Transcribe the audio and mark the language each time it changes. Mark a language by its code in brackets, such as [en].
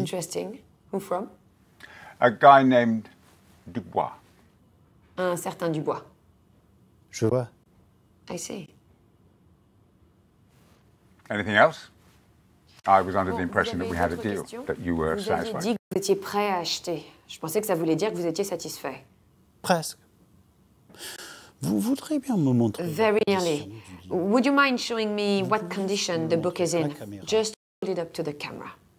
[en] Interesting. Who from? A guy named Dubois. [fr] Un certain Dubois. Je vois. [en] I see. Anything else? I was under the impression that we had a deal, that you were [fr] vous [en] satisfied. [fr] Vous avez dit que vous étiez prêt à acheter. Je pensais que ça voulait dire que vous étiez satisfait. Presque. Vous voudriez bien me montrer. [en] Very nearly. Would you mind showing me what condition the book is in? Just hold it up to the camera.